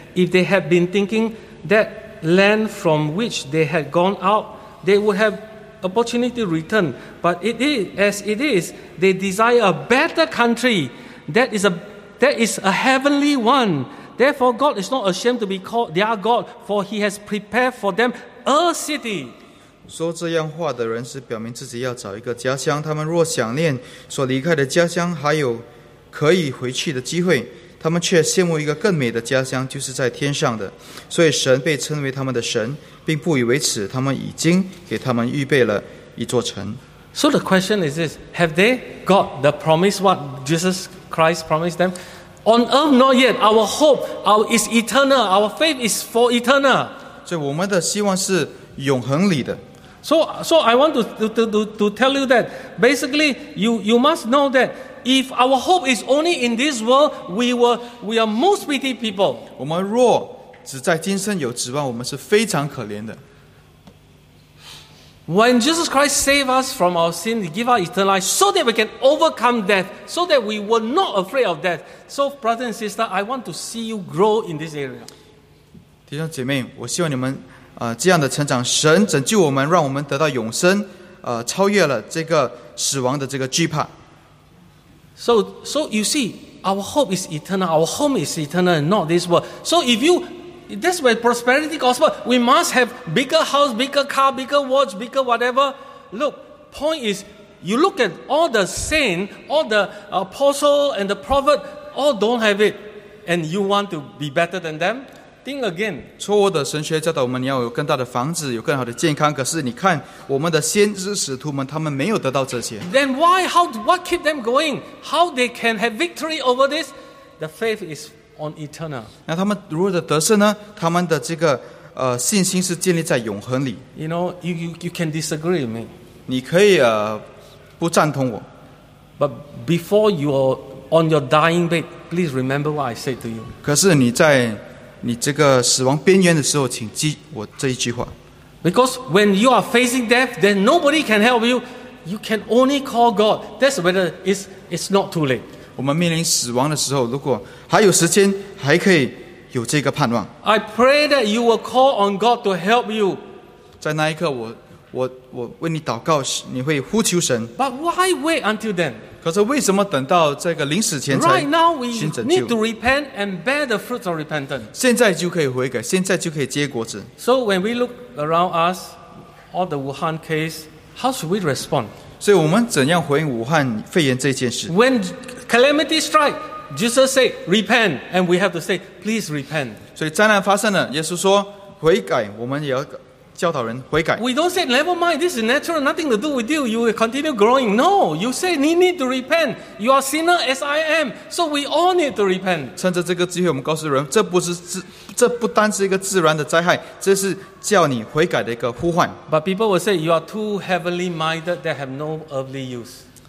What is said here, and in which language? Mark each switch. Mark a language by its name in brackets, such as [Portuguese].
[English] If they had been thinking that land from which they had gone out, they would have opportunity to return. But it is as it is, they desire a better country that is a heavenly one. Therefore, God is not ashamed to be called their God, for he has prepared for them a city. [Chinese] 说这样话的人是表明自己要找一个家乡。他们若想念所离开的家乡，还有可以回去的机会。他们却羡慕一个更美的家乡，就是在天上的。所以神被称为他们的神，并不以为耻。他们已经给他们预备了一座城。 [English] So the question is this: Have they got the promise what Jesus Christ promised them? On earth, not yet. Our hope, is eternal. Our faith is for eternal. [Chinese] 所以我们的希望是永恒里的。 [English] So I want to tell you that basically you must know that. If our hope is only in this world, we are most pity people. [Chinese] 我们若只在今生有指望，我们是非常可怜的。 [English] When Jesus Christ saved us from our sin, He gave us eternal life, so that we can overcome death, so that we were not afraid of death. So, brother and sister, I want to see you grow in this area. [Chinese] 弟兄姐妹，我希望你们这样的成长。神拯救我们，让我们得到永生，超越了这个死亡的这个惧怕。 [English] So you see, our hope is eternal. Our home is eternal, and not this world. So if you, that's where prosperity gospel. We must have bigger house, bigger car, bigger watch, bigger whatever. Look, point is, you look at all the saints, all the apostles and the prophets, all don't have it, and you want to be better than them. Think again. [Chinese] 错误的神学教导我们，你要有更大的房子，有更好的健康。可是你看，我们的先知使徒们，他们没有得到这些。 [English] Then why? How? What keep them going? How they can have victory over this? The faith is on eternal. [Chinese] 那他们如何的得胜呢？他们的这个信心是建立在永恒里。 [English] You know, you can disagree with me. [Chinese] 你可以不赞同我。 [English] But before you are on your dying bed, please remember what I said to you. [Chinese] 可是你在你这个死亡边缘的时候，请记我这一句话。 [English] Because when you are facing death, then nobody can help you. You can only call God. That's whether it's not too late. [Chinese] 我们面临死亡的时候，如果还有时间，还可以有这个盼望。 [English] I pray that you will call on God to help you. [Chinese] 在那一刻，我我为你祷告, 你会呼求神, [English] but why wait until then? [Chinese] 可是为什么等到这个临死前才寻拯救? [English] Right now we need to repent and bear the fruits of repentance. [Chinese] 现在就可以悔改, 现在就可以结果子。 [English] So when we look around us, all the Wuhan case, how should we respond? [Chinese] 所以我们怎样回应武汉肺炎这件事? [English] When calamity strikes, Jesus said, repent, and we have to say, please repent. [Chinese] 所以灾难发生了, 耶稣说, 悔改, 我们也要教导人, 悔改。 [English] We don't say, never mind, this is natural, nothing to do with you, you will continue growing. No, you say, you need to repent. You are sinner as I am, so we all need to repent. [Chinese] 趁着这个机会, 我们告诉人, 这不单是一个自然的灾害, 这是叫你悔改的一个呼唤。 [English] But people will say, you are too heavenly minded, that have no earthly use.